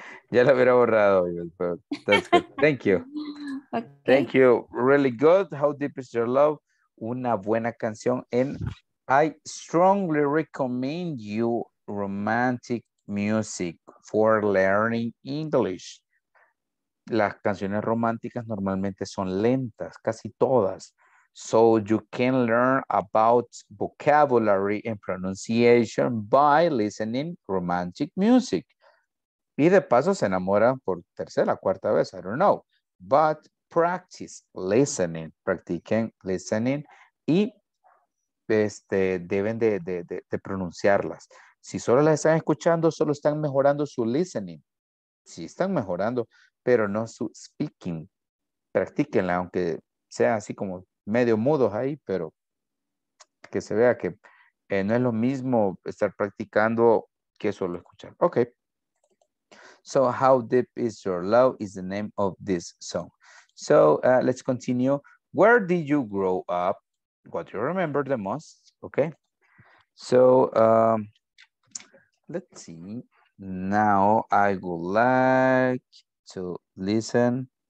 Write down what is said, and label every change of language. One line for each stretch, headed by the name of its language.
Spanish: Ya lo hubiera borrado,
English: but that's good. Thank you. Okay. Thank you. Really good. How deep is your love?
Spanish: Una buena canción.
English: And I strongly recommend you romantic music for learning English.
Spanish: Las canciones románticas normalmente son lentas, casi todas.
English: So you can learn about vocabulary and pronunciation by listening romantic music.
Spanish: Y de paso se enamora por tercera, cuarta vez,
English: I don't know. But practice listening,
Spanish: practiquen listening y deben de pronunciarlas. Si solo las están escuchando, solo están mejorando su listening. Si están mejorando, pero no su speaking. Practíquenla, aunque sean así como medio mudos ahí, pero que se vea que no es lo mismo estar practicando que solo escuchar.
English: Ok. So, how deep is your love is the name of this song. So, let's continue. Where did you grow up? What do you remember the most? Okay. So, let's see. Now, I would like to listen.